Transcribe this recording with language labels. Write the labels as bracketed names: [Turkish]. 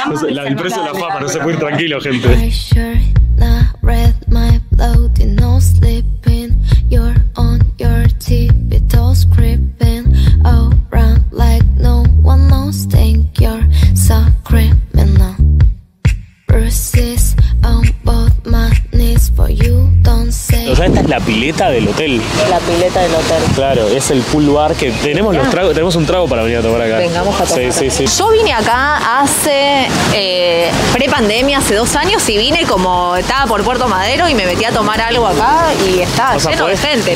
[Spanish] La del precio de la fama, no se puede ir tranquilo, gente. [English] My shirt, the red, my blood, no sleeping. You're on your tippy toes, creeping around like no one knows. Think you're so criminal. Bruises on both my knees for you. [Spanish] O sea, esta es la pileta del hotel. La pileta del hotel. Claro, es el pool bar que tenemos los tragos, tenemos un trago para venir a tomar acá. Vengamos a tomar. Sí, sí, sí. Yo vine acá hace prepandemia, hace 2 años, y vine como estaba por Puerto Madero y me metí a tomar algo acá y estaba lleno de gente.